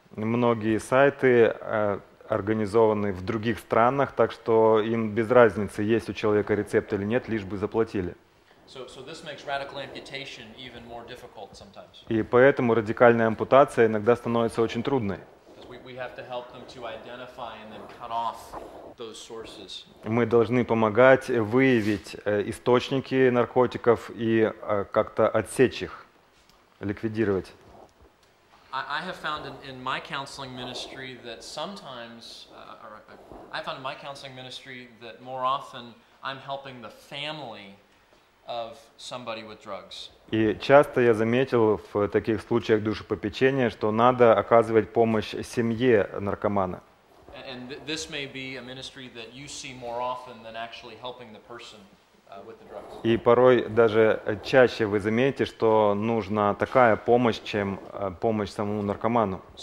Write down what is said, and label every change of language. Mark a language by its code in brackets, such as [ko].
[ru] Многие сайты организованы в других странах, так что им без разницы, есть у человека рецепт или нет, лишь бы заплатили. [en] So this makes radical amputation even more difficult sometimes. [ru] И поэтому радикальная ампутация иногда становится очень трудной. [en] We have to help them to identify and then cut off those sources. [ru] Мы должны помогать выявить источники наркотиков и как-то отсечь их, ликвидировать. [en] I have found in my counseling ministry that sometimes, I found in my counseling ministry that more often I'm helping the family of somebody with drugs. [ru] И часто я заметил в таких случаях душепопечения, что надо оказывать помощь семье наркомана. [en] And this may be a ministry that you see more often than actually helping the person. [ru] И порой даже чаще вы заметите, что нужна такая помощь, чем помощь самому наркоману.